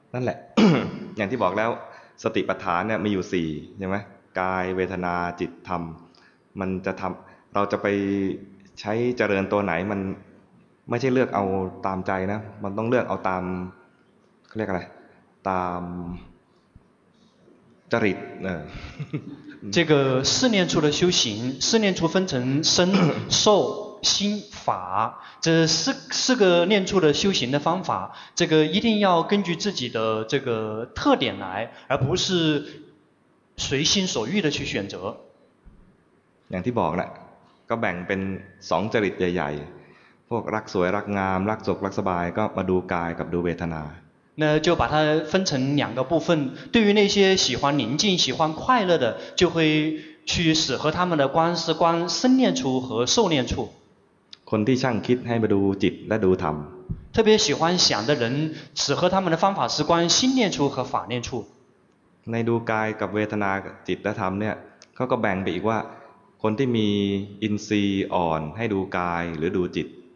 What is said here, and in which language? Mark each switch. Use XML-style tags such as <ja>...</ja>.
<th>นั่นแหละ อย่างที่บอกแล้วสติปัฏฐานเนี่ยมีอยู่4ใช่ไหมกายเวทนาจิตธรรมมันจะทำเราจะไปใช้เจริญตัวไหนมันไม่ใช่เลือกเอาตามใจนะมันต้องเลือกเอาตามเขาเรียกอะไรตามจริต</th> <zh>这个四念处的修行四念处分成身受心法这 四个念处的修行的方法这个一定要根据自己的这个特点来而不是随心所欲的去选择</zh> <th>อย่างที่บอกแหละก็แบ่งเป็น2จริตใหญ่พวกรักสวยรักงามรักสุขรักสบายก็มาดูกายกับดูเวทนา</th> <zh>那就把它分成两个部分对于那些喜欢宁静喜欢快乐的就会去适合他们的观是观身念处和受念处</zh> <th>คนที่ช่างคิดให้มาดูจิตและดูธรรม</th> <zh>特别喜欢想的人适合他们的方法是观心念处和法念处</zh> <th>ในดูกายกับเวทนาจิตและธรรมเนี่ยเขาก็แบ่งไปอีกว่าคนที่มีอินทรีย์อ่อนให้ดูกายหรือดูจิต</th>